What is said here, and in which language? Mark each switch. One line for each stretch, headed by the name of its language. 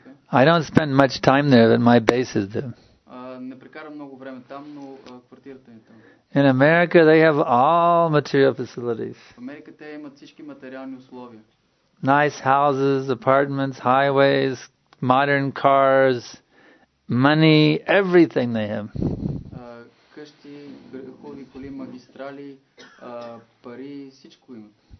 English: I don't spend much time there, but my base is there.
Bulgarian: Не прекарам много време там, но квартирата ми е там.
English: In America they have all material facilities.
Bulgarian: В Америка те имат всички материални условия.
English: Nice houses, apartments, highways, modern cars, money, everything they have.
Bulgarian: Къщи, хубави коли, магистрали, пари, всичко имат.